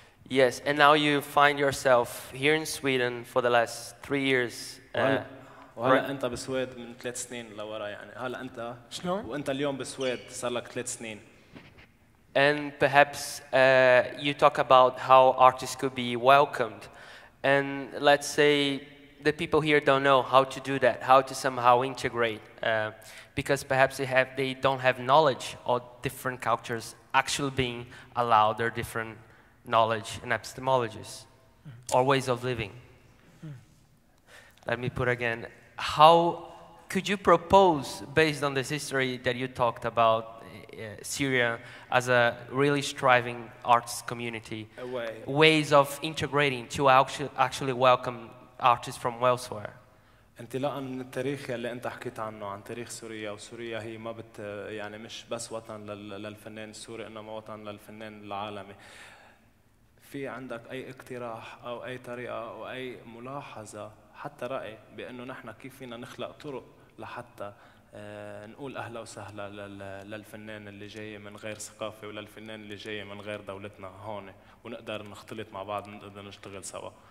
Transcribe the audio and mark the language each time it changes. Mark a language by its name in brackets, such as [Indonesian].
[English] Yes, and now you find yourself here in Sweden for the last 3 years. [Arabic] وهلا انت بالسويد من 3 سنين لورا يعني هلا انت شلون وانت اليوم بالسويد صار لك 3 سنين. [English] And perhaps you talk about how artists could be welcomed, and let's say the people here don't know how to do that, how to somehow integrate, because perhaps they don't have knowledge or different cultures. Actually being allowed their different knowledge and epistemologies or ways of living. Let me put again, how could you propose, based on this history that you talked about, Syria as a really striving arts community, ways of integrating to actually welcome artists from elsewhere? [Arabic] انطلاعا من التاريخ اللي انت حكيت عنه عن تاريخ سوريا وسوريا هي ما بت يعني مش بس وطن للفنان السوري انما وطن للفنان العالمي. في عندك أي اقتراح أو أي طريقة أو أي ملاحظة حتى رأي بأنه نحن كيف فينا نخلق طرق لحتى نقول أهلا وسهلا للفنان اللي جاي من غير ثقافة وللفنان اللي جاي من غير دولتنا هون ونقدر نختلط مع بعض ونقدر نشتغل سوا؟